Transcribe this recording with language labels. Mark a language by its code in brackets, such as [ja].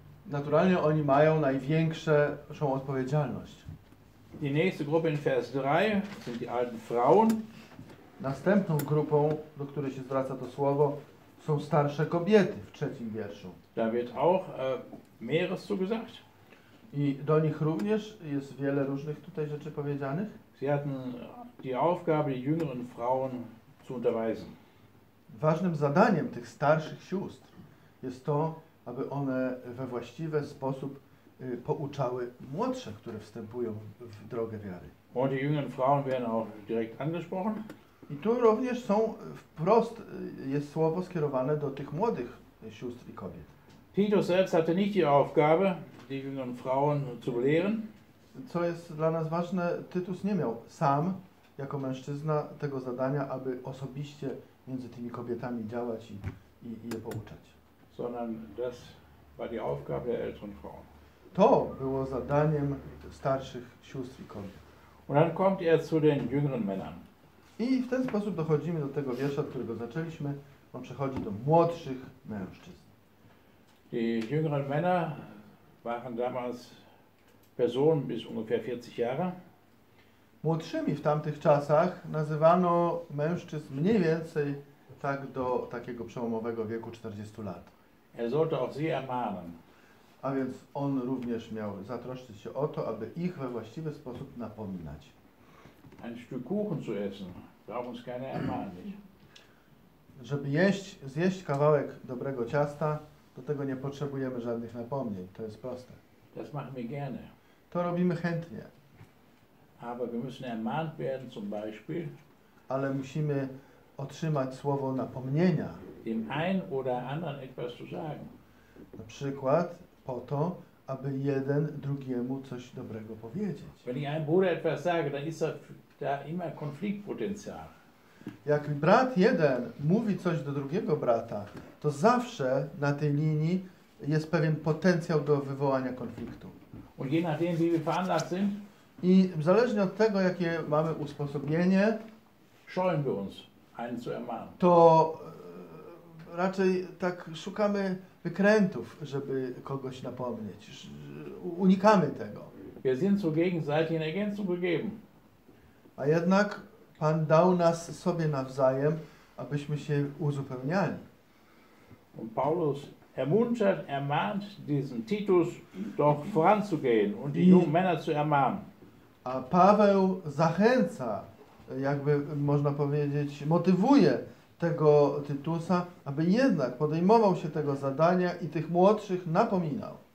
[pl] Naturalnie oni mają największą odpowiedzialność. [de] Die nächste Gruppe in Vers 3 sind die alten Frauen. [pl] Następną grupą, do której się zwraca to słowo, są starsze kobiety w trzecim wierszu. [de] Da wird auch mehres zu gesagt. [pl] I do nich również jest wiele różnych tutaj rzeczy powiedzianych. [de] Sie hatten die Aufgabe, die jüngeren Frauen zu unterweisen. [pl] Ważnym zadaniem tych starszych sióstr jest to, aby one we właściwy sposób pouczały młodsze, które wstępują w drogę wiary. [de] Und die jüngeren Frauen werden auch direkt angesprochen. [pl] I tu również są wprost, jest słowo skierowane do tych młodych sióstr i kobiet. [de] Titus selbst hatte nicht die Aufgabe, die jüngeren Frauen zu belehren. [pl] Co jest dla nas ważne, Tytus nie miał sam, jako mężczyzna, tego zadania, aby osobiście między tymi kobietami działać i je pouczać. [de] Sondern das war die Aufgabe der älteren Frauen. [pl] To było zadaniem starszych sióstr i kobiet. [de] Und dann kommt er zu den jüngeren Männern. [pl] I w ten sposób dochodzimy do tego wiersza, od którego zaczęliśmy. On przechodzi do młodszych mężczyzn. [de] Die jüngeren Männer waren damals Personen bis ungefähr 40 Jahre. [pl] Młodszymi w tamtych czasach nazywano mężczyzn mniej więcej tak do takiego przełomowego wieku 40 lat. [de] Er sollte auch sie ermahnen. [pl] A więc on również miał zatroszczyć się o to, aby ich we właściwy sposób napominać. [de] Ein Stück Kuchen zu essen, darf uns keine ermahnen. [pl] Żeby jeść, zjeść kawałek dobrego ciasta, do tego nie potrzebujemy żadnych napomnień. To jest proste. [de] Das machen wir gerne. [pl] To robimy chętnie. [de] Aber wir müssen ermahnt werden, zum Beispiel. [pl] Ale musimy otrzymać słowo napomnienia. [de] Dem einen oder anderen etwas zu sagen. [pl] Na przykład po to, aby jeden drugiemu coś dobrego powiedzieć. [de] Wenn ich einem Bruder etwas sage, dann ist da immer Konfliktpotenzial. [pl] Jak brat jeden mówi coś do drugiego brata, to zawsze na tej linii jest pewien potencjał do wywołania konfliktu. [de] Und je nachdem, wie wir veranlagt sind, [pl] i zależnie od tego, jakie mamy usposobienie, [de] scheuen wir uns, einen zu ermahnen. [pl] To raczej tak szukamy wykrętów, żeby kogoś napomnieć. Unikamy tego. [de] Wir sind zur gegenseitigen Ergänzung gegeben. [pl] A jednak Pan dał nas sobie nawzajem, abyśmy się uzupełniali. [de] Und Paulus ermuntert, ermahnt diesen Titus doch voranzugehen und die jungen Männer zu ermahnen. [pl] A Paweł zachęca, jakby można powiedzieć, motywuje tego Tytusa, aby jednak podejmował się tego zadania i tych młodszych napominał.